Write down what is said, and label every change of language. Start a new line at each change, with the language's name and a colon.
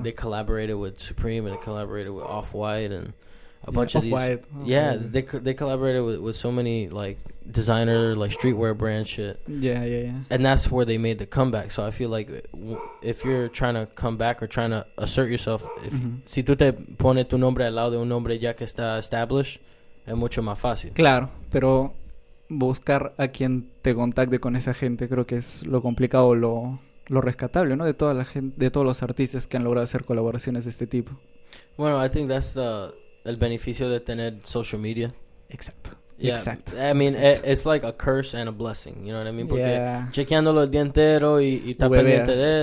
English: They collaborated with Supreme and they collaborated with Off-White and... They collaborated with so many like designer, like streetwear brand shit. Yeah. And that's where they made the comeback. So I feel like if you're trying to come back or trying to assert yourself, if
Spanish: si tú te pones tu nombre al lado de un nombre ya que está
English: established,
Spanish: es mucho más fácil. Claro, pero buscar a quien te contacte con esa gente creo que es lo complicado, lo rescatable, ¿no? De toda la gente, de todos los artistas que han logrado hacer colaboraciones de este tipo.
English: Bueno, I think that's the
Spanish: el beneficio de tener
English: social media.
Spanish: Exacto.
English: Yeah.
Spanish: Exacto.
English: I mean, exacto. It's like a curse and a blessing, you know what I mean?
Spanish: Porque chequeándolo el día entero y está pendiente de eso.